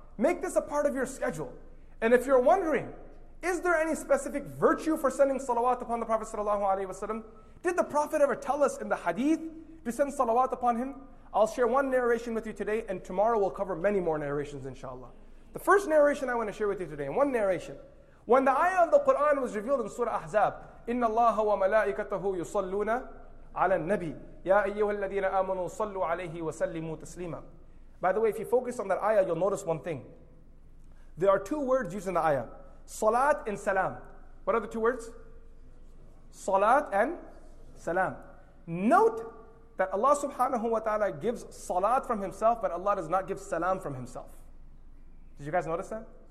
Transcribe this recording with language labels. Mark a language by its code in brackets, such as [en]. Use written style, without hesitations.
[en] Make this a part of your schedule. And if you're wondering, is there any specific virtue for sending salawat upon the Prophet sallallahu alayhi wa sallam? Did the Prophet ever tell us in the hadith to send salawat upon him? I'll share one narration with you today, and tomorrow we'll cover many more narrations, inshallah. The first narration I want to share with you today, one narration. When the ayah of the Quran was revealed in Surah Ahzab, [ar] إِنَّ اللَّهَ وَمَلَائِكَتَهُ يُصَلُّونَ عَلَى النَّبِيِّ يَا أَيُّهَا الَّذِينَ آمَنُوا صَلُّوا عَلَيْهِ وَسَلِّمُوا تَسْلِيمًا. [en] By the way, if you focus on that ayah, you'll notice one thing. There are two words used in the ayah, salat and salam. What are the two words? Salat and salam. Note that Allah subhanahu wa ta'ala gives salat from himself, but Allah does not give salam from himself. Did you guys notice that?